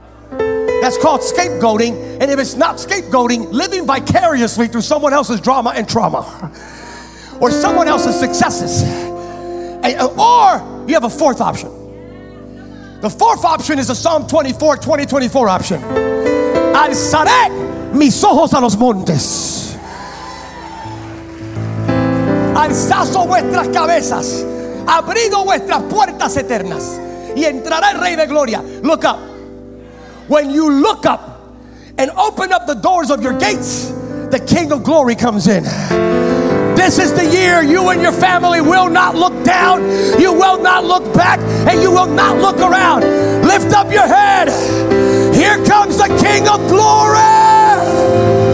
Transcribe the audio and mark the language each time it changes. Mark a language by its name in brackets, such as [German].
[English] That's called scapegoating. And if it's not scapegoating, living vicariously through someone else's drama and trauma. Or someone else's successes. Or You have a fourth option. The fourth option is a Psalm 24, 2024 option. [Spanish] Alzaré mis ojos a los montes. Alzazo vuestras cabezas. Abrido vuestras puertas eternas. Y entrará el Rey de Gloria. [English] Look up. When you look up and open up the doors of your gates, the King of Glory comes in. This is the year you and your family will not look down. You will not look back, and you will not look around. Lift up your head. Here comes the King of Glory.